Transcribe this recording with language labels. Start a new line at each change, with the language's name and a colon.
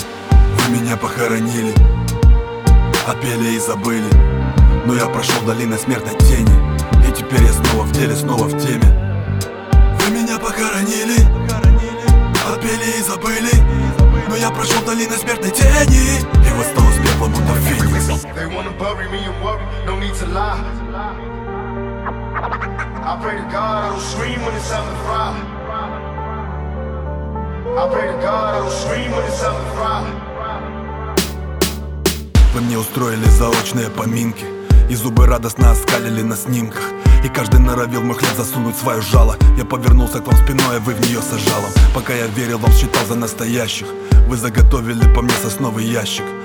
Russian: Вы меня похоронили, опели и забыли. Но я прошел долиной смертной тени, и теперь я снова в деле, снова в теме. Вы меня похоронили, опели и забыли. Но я прошел долиной смертной тени, и восстал из пепла, будто феникс.
English: They wanna bury me in worry, no need to lie. I pray to God I don't scream when it's time to cry. I pray to God I don't scream when it's time to cry.
Russian: Вы мне устроили заочные поминки, и зубы радостно оскалили на снимках. И каждый норовил в мой хлеб засунуть свое жало. Я повернулся к вам спиной, а вы в нее с ожалом. Пока я верил вам, считал за настоящих. Вы заготовили по мне сосновый ящик.